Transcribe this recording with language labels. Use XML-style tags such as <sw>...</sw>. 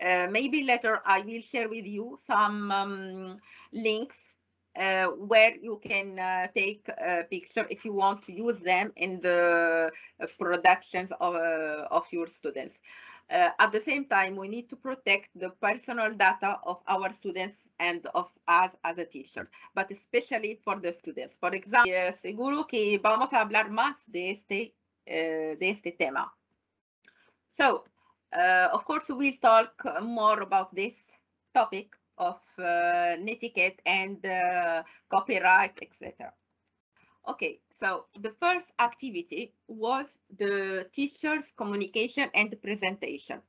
<en>Maybe later I will share with you some links where you can take a picture if you want to use them in the productions of your students. At the same time, we need to protect the personal data of our students and of us as a teacher, but especially for the students. For example,</en> <es>seguro que vamos a hablar más de este tema.</es> <en>So, of course, we'll talk more about this topic of netiquette and copyright, etc. Okay, so the first activity was the teacher's communication and presentation.</en>